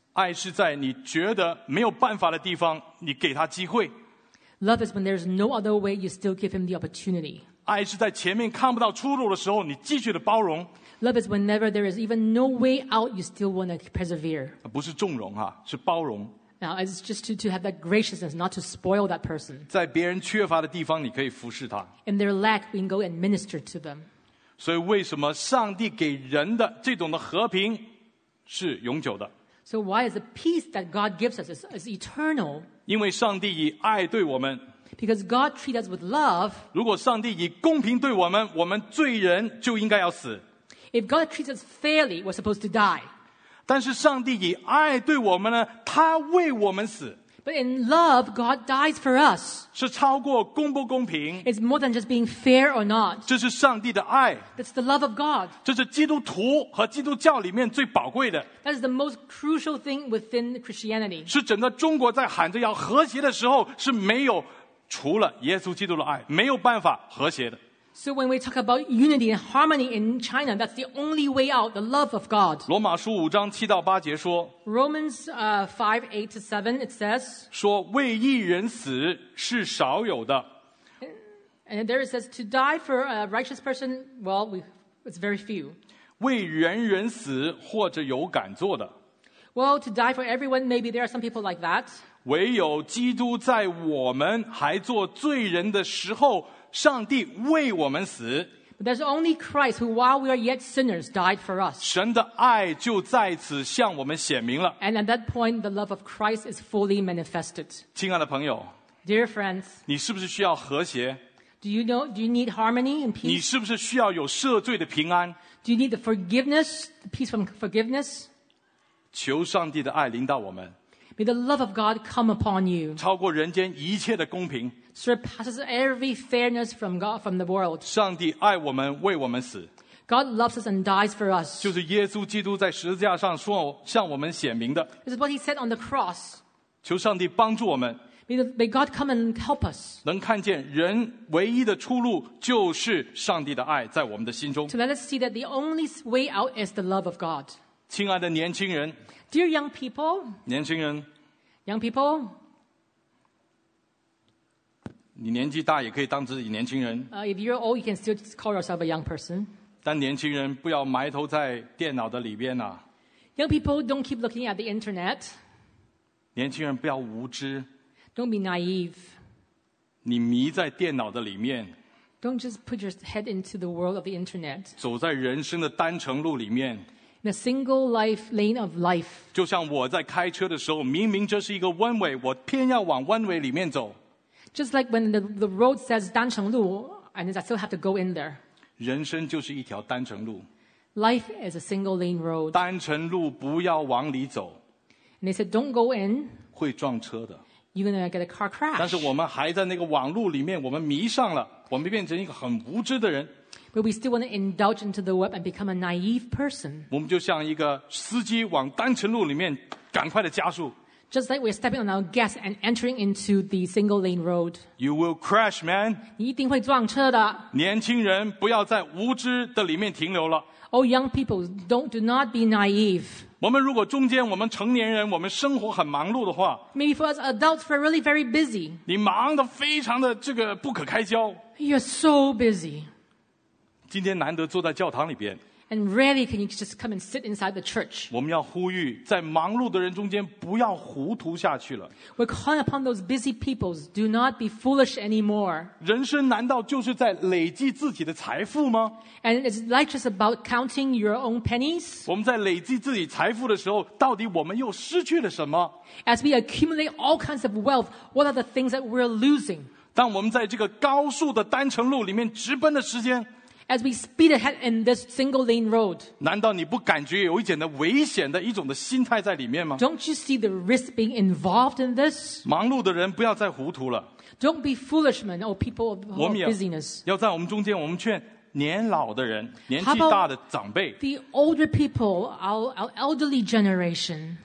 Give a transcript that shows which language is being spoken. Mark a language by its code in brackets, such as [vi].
[zh] 爱是在你觉得没有办法的地方，你给他机会。 [en] Love is when there's no other way, you still give him the opportunity. [zh] 爱是在前面看不到出路的时候，你继续的包容。 [en] Love is whenever there is even no way out, you still want to persevere. [zh] 不是纵容哈，是包容。 [en] Now it's just to have that graciousness, not to spoil that person. [zh] 在别人缺乏的地方，你可以服侍他。 [en] In their lack, we can go and minister to them. [zh] 所以为什么上帝给人的这种的和平是永久的 [en] So why is the peace that God gives us is eternal? [zh] 因为上帝以爱对我们 [en] Because God treats us with love [zh] 如果上帝以公平对我们我们罪人就应该要死 [en] If God treats us fairly, we're supposed to die [zh] 但是上帝以爱对我们呢他为我们死 [en] But in love, God dies for us [zh] 是超过公不公平 [en] It's more than just being fair or not. [zh] 这是上帝的爱 [en] That's the love of God. [zh] 这是基督徒和基督教里面最宝贵的 [en] That is the most crucial thing within Christianity. [zh] 是整个中国在喊着要和谐的时候是没有除了耶稣基督的爱没有办法和谐的 [en] So when we talk about unity and harmony in China, that's the only way out, the love of God. [zh] 罗马书五章七到八节说 [en] Romans 5:8-7, it says [zh] 说为一人死是少有的 [en] And there it says, to die for a righteous person, well, it's very few. [zh] 为人人死或者有敢做的 [en] Well, to die for everyone, maybe there are some people like that. [zh] 唯有基督在我们还做罪人的时候上帝为我们死。 [en] But there's only Christ who, while we are yet sinners, died for us. [zh] 神的爱就在此向我们显明了。 [en] And at that point, the love of Christ is fully manifested. [zh] 亲爱的朋友 [en] Dear friends, [zh] 你是不是需要和谐 [en] do you need harmony and peace? [zh] 你是不是需要有赦罪的平安 [en] Do you need the forgiveness, the peace from forgiveness? [zh] 求上帝的爱临到我们。 [en] May the love of God come upon you. [zh] 超过人间一切的公平。 [en] Surpasses every fairness from God, from the world. [zh] 上帝爱我们，为我们死。 [en] God loves us and dies for us. [zh] 就是耶稣基督在十字架上说向我们显明的。 [en] This is what he said on the cross. [zh] 求上帝帮助我们。 [en] May God come and help us. [zh] 能看见人唯一的出路就是上帝的爱在我们的心中。 [en] To let us see that the only way out is the love of God. [zh] 亲爱的年轻人。 [en] Dear young people. [zh] 年轻人。 [en] Young people. [zh] 你年纪大也可以当自己年轻人。 [en] If you're old, you can still call yourself a young person. [zh] 但年轻人不要埋头在电脑的里边啊。 [en] Young people, don't keep looking at the internet. [zh] 年轻人不要无知。 [en] Don't be naive. [zh] 你迷在电脑的里面。 [en] Don't just put your head into the world of the internet. [zh] 走在人生的单程路里面。 [en] In a single life lane of life. [zh] 就像我在开车的时候，明明这是一个弯尾，我偏要往弯尾里面走。 [en] Just like when the road says [zh] 单程路 [en] and I still have to go in there. [zh] 人生就是一条单程路。 [en] Life is a single lane road. [zh] 单程路不要往里走。 [en] And they said, don't go in. [zh] 会撞车的。 [en] You're going to get a car crash. [zh] 但是我们还在那个网路里面我们迷上了我们变成一个很无知的人。 [en] But we still want to indulge into the web and become a naive person. [zh] 我们就像一个司机往单程路里面赶快的加速。 [en] Just like we're stepping on our gas and entering into the single lane road. You will crash, man. [zh] 你一定会撞车的。年轻人不要在无知的里面停留了。 [en] Oh, young people, do not be naive. [zh] 我们如果中间我们成年人我们生活很忙碌的话。 [en] Maybe for us adults, we're really very busy. [zh] 你忙得非常的这个不可开交。 [en] You're so busy. [zh] 今天难得坐在教堂里边。 [en] And rarely can you just come and sit inside the church. [zh] 我们要呼吁，在忙碌的人中间不要糊涂下去了。 [en] We're calling upon those busy people, do not be foolish anymore. [zh] 人生难道就是在累积自己的财富吗？ [en] And is life just about counting your own pennies? [zh] 我们在累积自己财富的时候，到底我们又失去了什么？ [en] As we accumulate all kinds of wealth, what are the things that we're losing? [zh] 当我们在这个高速的单程路里面直奔的时间， [en] As we speed ahead in this single lane road, [zh] 难道你不感觉有一点的危险的一种的心态在里面吗？ [en] Don't you see the risk being involved in this? [zh] 忙碌的人不要再糊涂了。 [en] Don't be foolish men or people of busyness. [zh] 要在我们中间，我们劝年老的人，年纪大的长辈。 [en] How about the older people, our elderly generation?